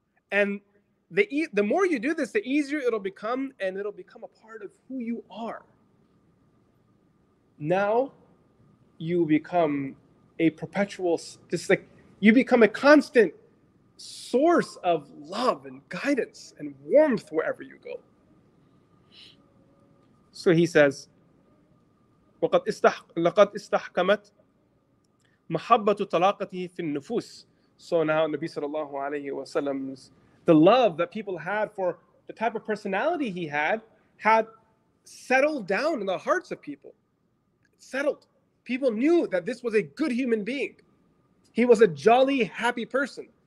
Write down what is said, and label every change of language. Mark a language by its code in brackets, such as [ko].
[en] And the more you do this, the easier it'll become, and it'll become a part of who you are. Now you become a perpetual, just like you become a constant source of love and guidance and warmth wherever you go. So he says, [ar] لَقَدْ إِسْتَحْكَمَتْ مَحَبَّةُ طَلَاقَتِهِ فِي النُّفُوسِ. [en] So now Nabi [ar] sallallahu alayhi wa sallam's, [en] the love that people had for the type of personality he had settled down in the hearts of people. Settled. People knew that this was a good human being. He was a jolly, happy person.